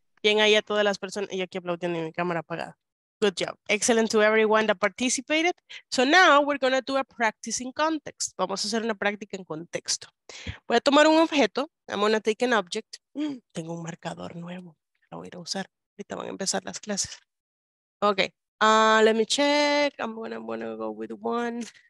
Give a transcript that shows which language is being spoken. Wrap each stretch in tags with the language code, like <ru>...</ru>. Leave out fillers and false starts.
<es>Bien ahí a todas las personas, y aquí aplaudiendo en mi cámara apagada.</es> <en>Good job, excellent to everyone that participated. So now we're going to do a practice in context.</en> <es>Vamos a hacer una práctica en contexto. Voy a tomar un objeto,</es> <en>I'm going to take an object.</en> <es>Tengo un marcador nuevo, lo voy a usar. Ahorita van a empezar las clases.</es> <en>Okay, let me check, I'm gonna go with one.</en>